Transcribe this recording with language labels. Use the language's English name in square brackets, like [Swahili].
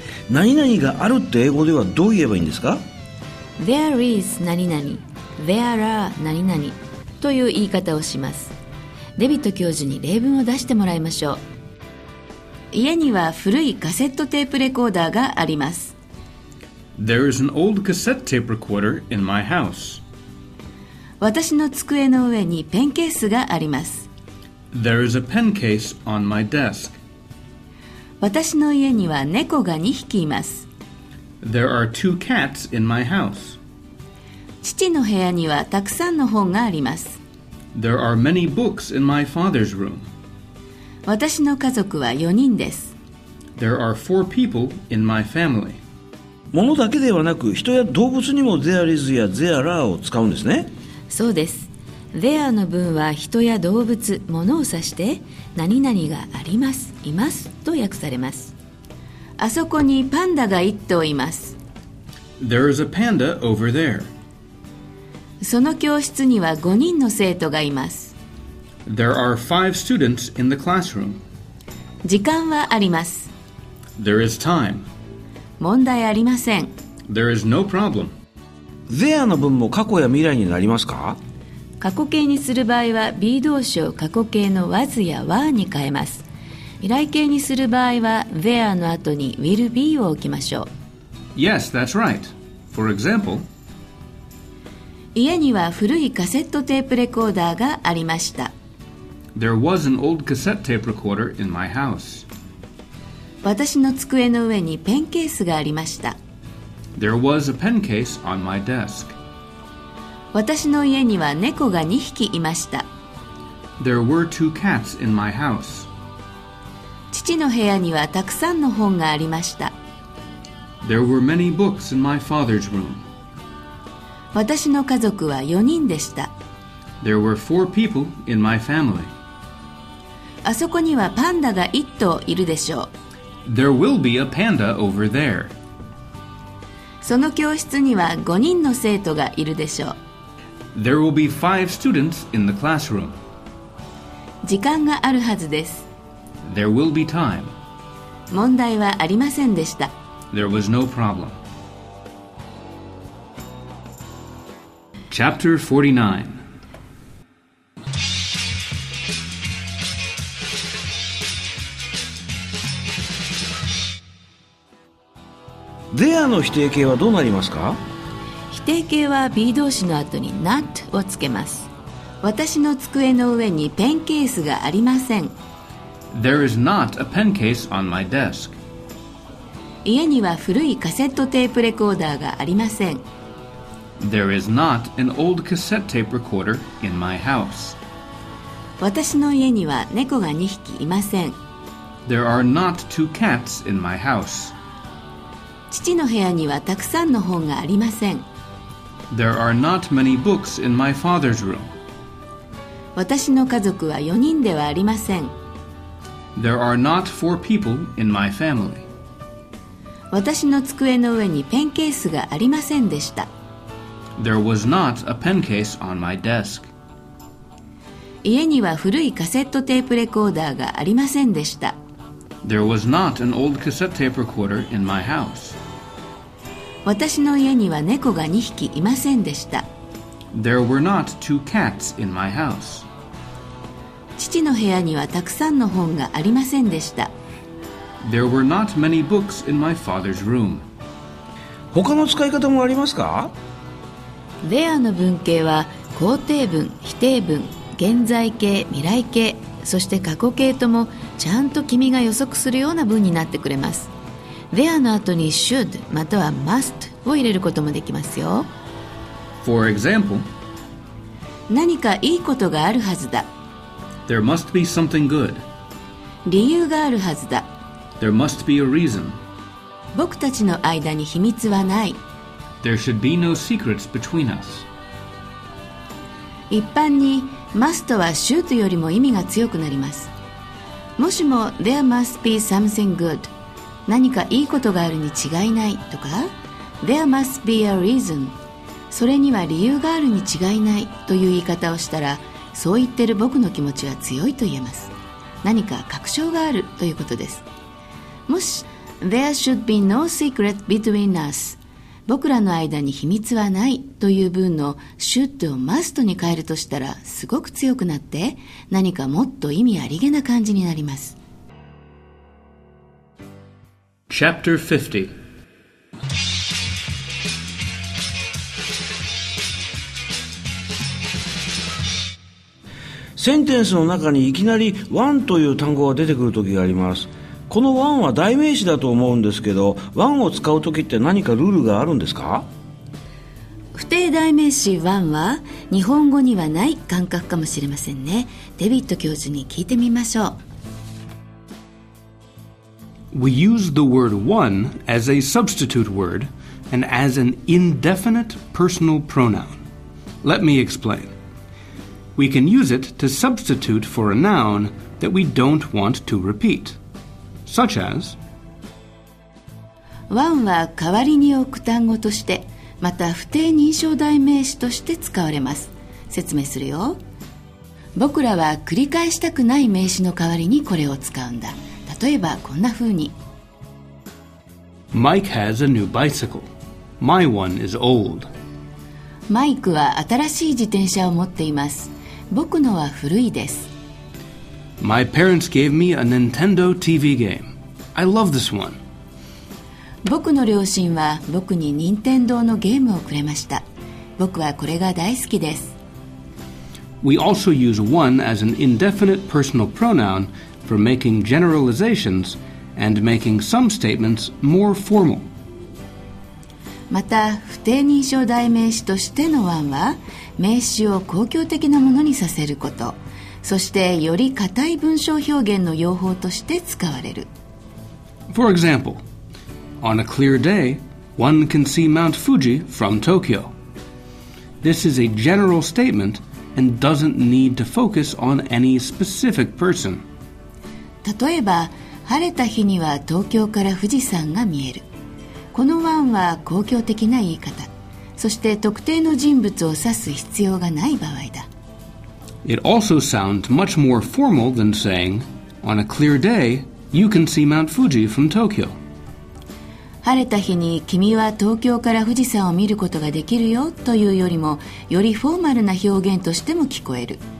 [Japanese] 何々があるって英語ではどう言えばいいんですか？ [English] There is [Japanese] 何々、 [English] There are [Japanese] 何々という言い方をします。デビット教授に例文を出してもらいましょう。家には古いカセットテープレコーダーがあります。 [English] There is an old cassette tape recorder in my house。 [Japanese] 私の机の上にペンケースがあります。 [English] There is a pen case on my desk. [Japanese] 私の家には猫が2匹います。 [English] There are 2 cats in my house. [Japanese] 父の部屋にはたくさんの本があります。 [English] There are many books in my father's room. [Japanese] 私の家族は4人です。 [English] There are 4 people in my family. [Japanese] 物だけではなく、人や動物にも there is や there are を使うんですね。そうです。 There の文は人や動物、物を指して何々があります、いますと訳されます。あそこにパンダが1頭います。 [English] There is a panda over there. [Japanese] その教室には5人の生徒がいます。 [English] There are 5 students in the classroom. [Japanese] 時間はあります。 [English] There is time. [Japanese] 問題ありません。 [English] There is no problem. [Japanese] There の文も過去や未来になりますか？過去形にする場合は B 動詞を過去形の was や were に変えます。未来形にする場合は there の後に will be を置きましょう。 [English] Yes, that's right. For example, [Japanese] 家には古いカセットテープレコーダーがありました。 [English] There was an old cassette tape recorder in my house. [Japanese] 私の机の上にペンケースがありました。 [English] There was a pen case on my desk. [Japanese] 私の家には猫が2匹いました。 [English] There were 2 cats in my house. [Japanese] 父の部屋にはたくさんの本がありました。 [English] There were many books in my father's room. [Japanese] 私の家族は4人でした。 [English] There were 4 people in my family. [Japanese] あそこにはパンダが1頭いるでしょう。 [English] There will be a panda over there. [Japanese] その教室には5人の生徒がいるでしょう。 [English] There will be 5 students in the classroom. [Japanese] 時間があるはずです。 [English] There will be time. [Japanese] 問題はありませんでした。 [English] There was no problem. Chapter 49. [Japanese] There の否定形はどうなりますか？否定形は B 動詞の後に not をつけます。私の机の上にペンケースがありません。 [English] There is not a pen case on my desk. [Japanese] 家には古いカセットテープレコーダーがありません。 [English] There is not an old cassette tape recorder in my house. [Japanese] 私の家には猫が2匹いません。 [English] There are not 2 cats in my house. [Japanese] 父の部屋にはたくさんの本がありません。 [English] There are not many books in my father's room. [Japanese] 私の家族は4人ではありません。 [English] There are not four people in my family. [Japanese] 私の机の上にペンケースがありませんでした。 [English] There was not a pen case on my desk. [Japanese] 家には古いカセットテープレコーダーがありませんでした。 [English] There was not an old cassette tape recorder in my house. [Japanese] 私の家には猫が2匹いませんでした。 [English] There were not two cats in my house. [Japanese] 父の部屋にはたくさんの本がありませんでした。 [English] There were not many books in my father's room. [Japanese] 他の使い方もありますか? There の文型は肯定文、否定文、現在形、未来形、そして過去形ともちゃんと君が予測するような文になってくれます。 There の後に should または must を入れることもできますよ。 [English] For example, [Japanese] 何かいいことがあるはずだ。 [English] There must be something good. [Japanese] 理由があるはずだ。 [English] There must be a reason. [Japanese] 僕たちの間に秘密はない。 [English] There should be no secrets between us. [Japanese] 一般に must は should よりも意味が強くなります。もしも [English] there must be something good. [Japanese] 何かいいことがあるに違いないとか、 [English] there must be a reason. [Japanese] それには理由があるに違いないという言い方をしたら、そう言ってる僕の気持ちは強いと言えます。何か確証があるということです。もし、 [English] There should be no secret between us. [Japanese] 僕らの間に秘密はないという文の should を must に変えるとしたら、すごく強くなって、何かもっと意味ありげな感じになります。 [English] Chapter 50 [Japanese] センテンスの中にいきなり one という単語が出てくるときがあります。この one は代名詞だと思うんですけど、 one を使うときって何かルールがあるんですか？不定代名詞 one は日本語にはない感覚かもしれませんね。デビッド教授に聞いてみましょう。 [English] We use the word one as a substitute word and as an indefinite personal pronoun. Let me explainWe can use it to substitute for a noun that we don't want to repeat, such as [Japanese] One は代わりに置く単語として、また不定認証代名詞として使われます。説明するよ。僕らは繰り返したくない名詞の代わりにこれを使うんだ。例えばこんな風に。 [English] Mike has a new bicycle. My one is old. [Japanese] マイクは新しい自転車を持っています。僕のは古いです。 [English] My parents gave me a Nintendo TV game. I love this one. [Japanese] 僕の両親は僕に任天堂のゲームをくれました。僕はこれが大好きです。 [English] We also use one as an indefinite personal pronoun for making generalizations and making some statements more formal. [Japanese] また不定認証代名詞としての one は名詞を公共的なものにさせること、そしてより固い文章表現の用法として使われる。 [English] For example, on a clear day, one can see Mount Fuji from Tokyo. This is a general statement and doesn't need to focus on any specific person. [Japanese] 例えば晴れた日には東京から富士山が見える。このワンは公共的な言い方、そして特定の人物を指す必要がない場合だ。 [English] It also sounds much more formal than saying On a clear day, you can see Mount Fuji from Tokyo. [Japanese] 晴れた日に君は東京から富士山を見ることができるよというよりも、よりフォーマルな表現としても聞こえる。